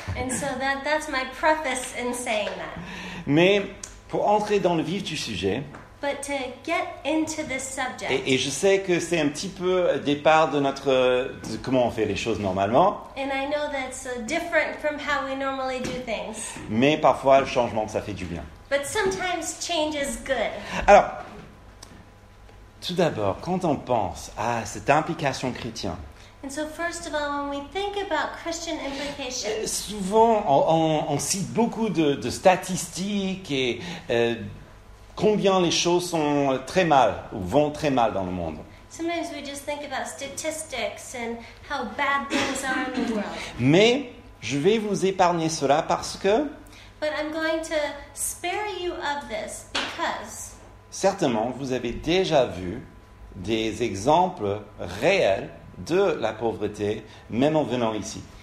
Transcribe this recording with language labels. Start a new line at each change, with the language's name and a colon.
English: And so that's my preface in saying that.
French: Mais pour entrer dans le vif du sujet,
English: But to get into this subject.
French: Et je sais que c'est un petit peu départ de notre de comment on fait les choses normalement.
English: And I know that's different from how we normally do things.
French: Mais parfois le changement ça fait du bien.
English: But sometimes change is good.
French: Alors, tout d'abord, quand on pense à cette implication chrétienne.
English: And so first of all, when we think about Christian implications.
French: Souvent, on cite beaucoup de statistiques et combien les choses sont très mal ou vont très mal dans le monde.
English: Sometimes we just think about statistics and how bad things are in the world.
French: Mais je vais vous épargner cela parce que.
English: But I'm going to spare you of this because.
French: Certainement, vous avez déjà vu des exemples réels de la pauvreté, même en venant ici.